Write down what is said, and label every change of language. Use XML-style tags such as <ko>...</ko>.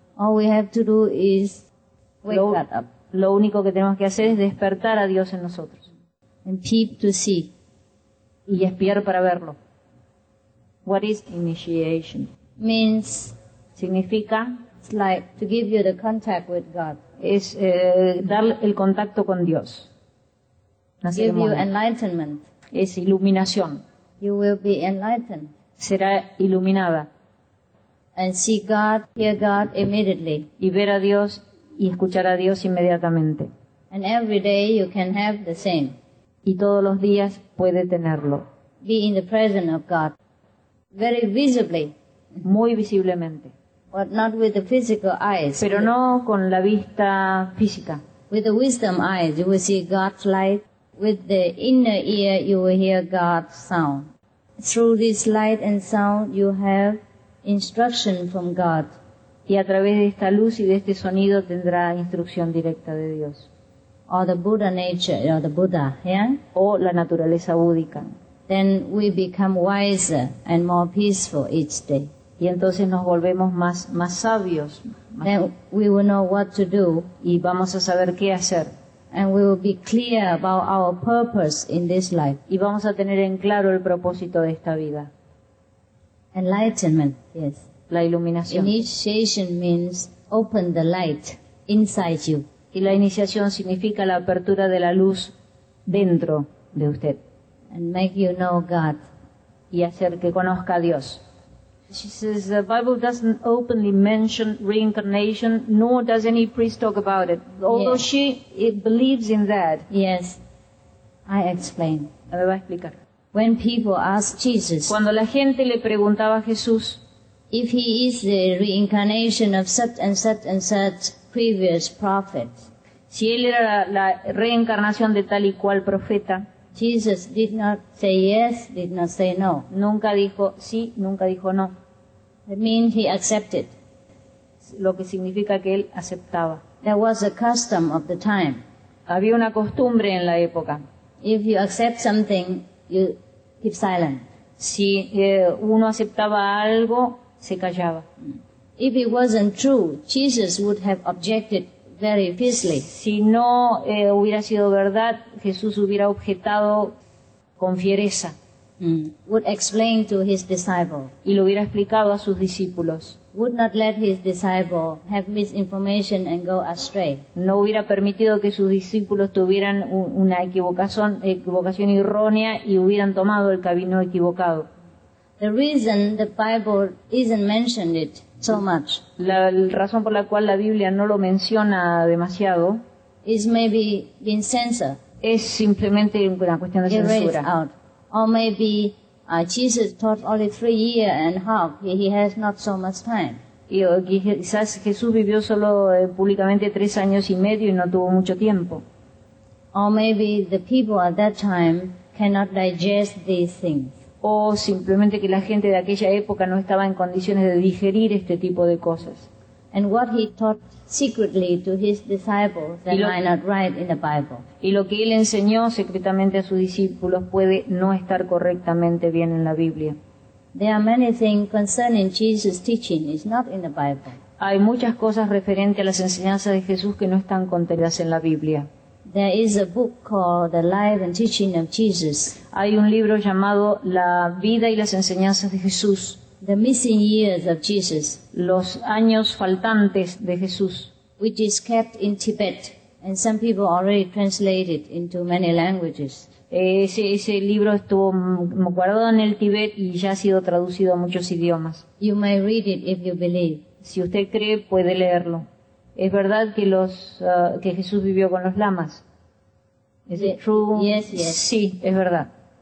<en>All we have to do is wake that up.</en> <es>lo único que tenemos que hacer es despertar a Dios en nosotros.</es> <en>And peep to see.</en> <es>Y espiar para verlo.</es> <en>What is initiation? Means.</en> <es>Significa.</es> <en>It's like to give you the contact with God.</en> <es>Es dar el contacto con Dios.</es> <en>No give you enlightenment.</en> <es>Es iluminación.</es> <en>You will be enlightened.</en> <es>Será iluminada.</es> <en>And see God, hear God immediately.</en> <es>Y ver a Dios y escuchar a Dios inmediatamente.</es> <en>And every day you can have the same.</en> <es>Y todos los días puede tenerlo.</es> <en>Be in the presence of God. Very visibly.</en> <es>Muy visiblemente.</es> <en>But not with the physical eyes.</en> <es>Pero no con la vista física.</es> <en>With the wisdom eyes you will see God's light. With the inner ear you will hear God's sound. Through this light and sound you have instruction from God.</en> <es>Y a través de esta luz y de este sonido tendrá instrucción directa de Dios.</es> <en>Or the Buddha nature, or the Buddha, yeah?</en> <es>O la naturaleza búdica.</es> <en>Then we become wiser and more peaceful each day.</en> <es>Y entonces nos volvemos más sabios. Más</es> <en>then we will know what to do.</en> <es>Y vamos a saber qué hacer.</es> <en>And we will be clear about our purpose in this life.</en> <es>Y vamos a tener en claro el propósito de esta vida.</es> <en>Enlightenment, yes.</en> <es>La iluminación.</es> <en>Initiation means open the light inside you.</en> <es>Y la iniciación significa la apertura de la luz dentro de usted.</es> <en>And make you know God.</en> <es>Y hacer que conozca a Dios.</es> <en>She says, the Bible doesn't openly mention reincarnation, nor does any priest talk about it. Although yes. She it believes in that. Yes, I explain.</en> <es>Me va a explicar.</es> <en>When people ask Jesus,</en> <es>cuando la gente le preguntaba a Jesús,</es> <en>if he is the reincarnation of such and such and such previous prophet,</en> <es>si él era la reencarnación de tal y cual profeta,</es> <en>Jesus did not say yes, did not say no.</en> <es>Nunca dijo sí, nunca dijo no.</es> <en>That means he accepted.</en> <es>Lo que significa que él aceptaba.</es> <en>There was a custom of the time.</en> <es>Había una costumbre en la época.</es> <en>If you accept something, you keep silent.</en> <es>Si uno aceptaba algo, se callaba.</es> <en>If it wasn't true, Jesus would have objected. Very fiercely.</en> <es>Si no hubiera sido verdad, Jesús hubiera objetado con fiereza.</es> <en>Would explain to his disciple.</en> <es>Y lo hubiera explicado a sus discípulos.</es> <en>Would not let his disciple have misinformation and go astray.</en> <es>No hubiera permitido que sus discípulos tuvieran una equivocación errónea y hubieran tomado el camino equivocado.</es> <en>The reason the Bible isn't mentioned it so much.</en> <es>La razón por la cual la Biblia no lo menciona demasiado</es> <en>is maybe being censored.</en> <es>Es simplemente una cuestión de censura.</es> <en>Out. Or maybe Jesus taught only 3.5 years. He has not so much time.</en> <es>Y quizás Jesús vivió solo públicamente 3.5 años y no tuvo mucho tiempo.</es> <en>Or maybe the people at that time cannot digest these things.</en> <es>O simplemente que la gente de aquella época no estaba en condiciones de digerir este tipo de cosas.</es> <en>And what he taught secretly to his disciples that might not write in the Bible.</en> <es>Y lo que él enseñó secretamente a sus discípulos puede no estar correctamente bien en la Biblia.</es> <en>There are many things concerning Jesus' teaching is not in the Bible.</en> <es>Hay muchas cosas referentes a las enseñanzas de Jesús que no están contenidas en la Biblia.</es> <en>There is a book called The Life and Teaching of Jesus.</en> <es>Hay un libro llamado La vida y las enseñanzas de Jesús.</es> <en>The missing years of Jesus.</en> <es>Los años faltantes de Jesús.</es> <en>Which is kept in Tibet, and some people already translated into many languages.</en> <es>Ese libro estuvo guardado en el Tibet y ya ha sido traducido a muchos idiomas.</es> <en>You may read it if you believe. Si usted cree, puede leerlo.</en> <es>Es verdad que que Jesús vivió con los lamas.</es> <en>Is it true? Yes, yes.</en> <es>Sí, es verdad.</es>